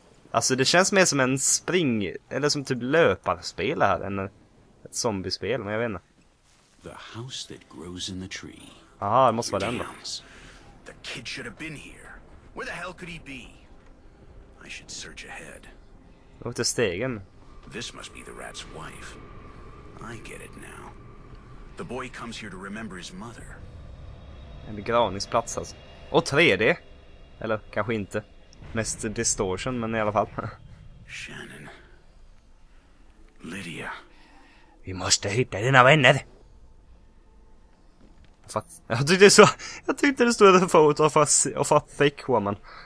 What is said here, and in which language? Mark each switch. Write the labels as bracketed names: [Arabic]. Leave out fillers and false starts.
[Swedish] Alltså, det känns mer som en spring... Eller som typ löparspel här. Än ett zombiespel, men jag vet inte. [English] The house that grows in the tree. [Swedish] Aha, det måste vara den då. [English] The kid should have been here. Where the hell could he be? I should search ahead. [Swedish] Åh, det stegen. [English] This must be the rat's wife. I get it now. The boy comes here to remember his mother. [Swedish] En begravningsplats alltså. Och 3D. Eller kanske inte. Mest distortion, men i alla fall. Shannon. Lydia. Vi måste hitta dina vänner. Jag tyckte det stod en foto av [English] fake woman.